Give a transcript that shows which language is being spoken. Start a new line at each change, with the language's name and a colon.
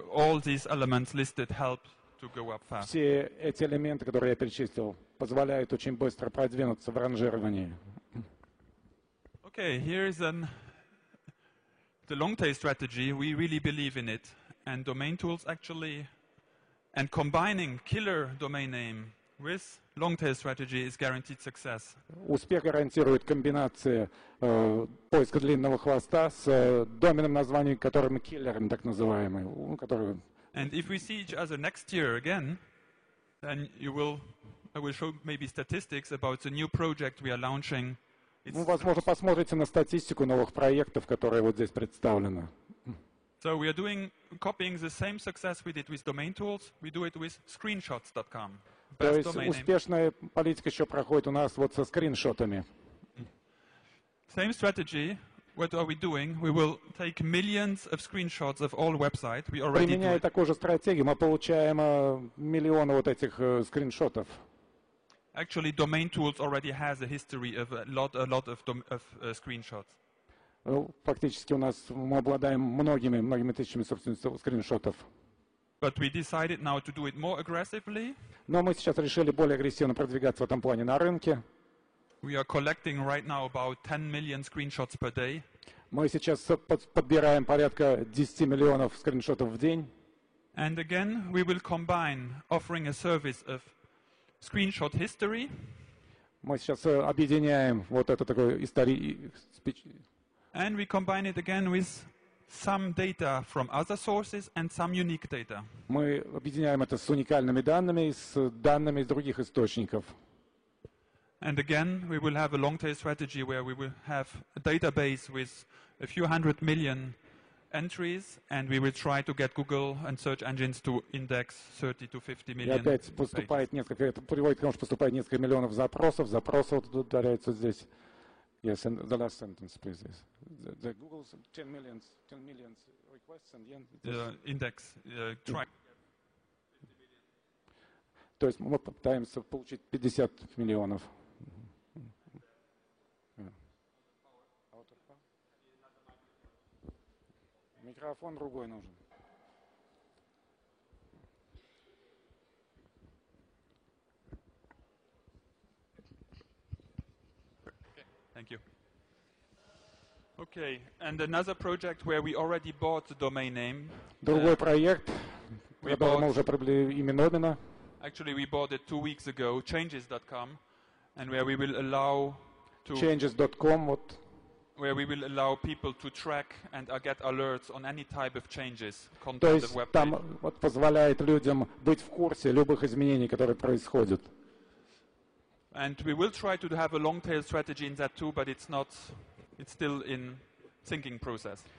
English: All these elements listed help to go up fast.
Russian: Все эти элементы, которые я перечислил, позволяют очень быстро продвинуться в ранжировании.
English: Okay, here is the long tail strategy. We really believe in it, and domain tools actually, and combining killer domain name with long tail strategy is guaranteed success.
Russian: Успех гарантирует комбинация поиска длинного хвоста с доменным названием, которое мы киллером так называемый, который.
English: And if we see each other next year again, then I will show maybe statistics about the new project we are launching.
Russian: Вы, возможно, посмотрите на статистику новых проектов, которые вот здесь представлены.
English: So we are doing copying the same success we did with domain tools. We do it with screenshots.com.
Russian: То есть успешная политика еще проходит у нас вот со скриншотами.
English: Same strategy. What are we doing? We will take millions of screenshots of all websites. We already.
Russian: Применяя такую же стратегию, мы получаем миллионы вот этих скриншотов.
English: Actually, domain tools already has a history of a lot of screenshots.
Russian: Фактически у нас мы обладаем многими тысячами собственных скриншотов.
English: But we decided now to do it more aggressively.
Russian: Но мы сейчас решили более агрессивно продвигаться в этом плане на рынке.
English: We are collecting right now about 10 million screenshots per day.
Russian: Мы сейчас подбираем порядка 10 миллионов скриншотов в день.
English: And again, we will combine offering a service of screenshot history.
Russian: Мы сейчас объединяем вот это такое истории.
English: And we combine it again with some data from other sources and some unique data.
Russian: Мы объединяем это с уникальными данными, с данными из других источников.
English: And again, we will have a long tail strategy where we will have a database with a few hundred million entries, and we will try to get Google and search engines to index 30 to 50 million.
Russian: И опять поступает несколько, это приводит к тому, что поступает несколько миллионов запросов. Запросы вот удаляются здесь.
English: Yes, and the last sentence, please. The Google's 10 million requests and index. Try.
Russian: То есть мы попытаемся получить 50 миллионов. Микрофон другой нужен.
English: Thank you. Okay, and another project where we already bought the domain name.
Russian: Другой проект, когда мы уже приобрели имя домена.
English: Actually, we bought it 2 weeks ago, changes.com, and where we will allow to changes.com, what? Where we will allow people to track and get alerts on any type of changes.
Russian: То есть там вот позволяет людям быть в курсе любых изменений, которые происходят.
English: And we will try to have a long tail strategy in that too, but it's still in thinking process.